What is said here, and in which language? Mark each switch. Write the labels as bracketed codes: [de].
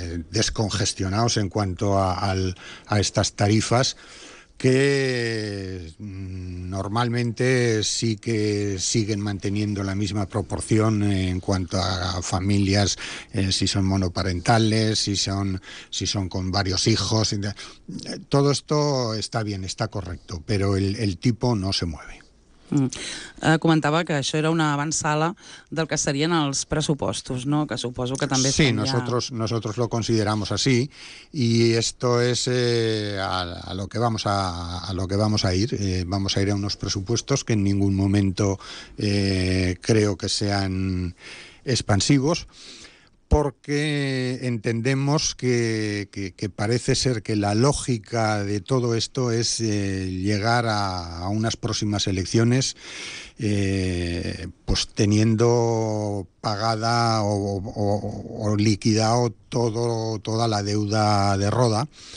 [es] descongestionados en cuanto a estas tarifas, que normalmente sí que siguen manteniendo la misma proporción en cuanto a familias, si son monoparentales, si son con varios hijos. Todo esto está bien, está correcto, pero el tipo no se mueve. [ca] Comentava que això era una avançada del que serien els pressupostos, no? Que suposo que també... [es] Sí, nosotros lo consideramos así, y esto es a lo que vamos a ir. Vamos a ir a unos presupuestos que en ningún momento creo que sean expansivos, porque entendemos que parece ser que la lógica de todo esto es llegar a unas próximas elecciones pues teniendo pagada o liquidado toda la deuda de Roda.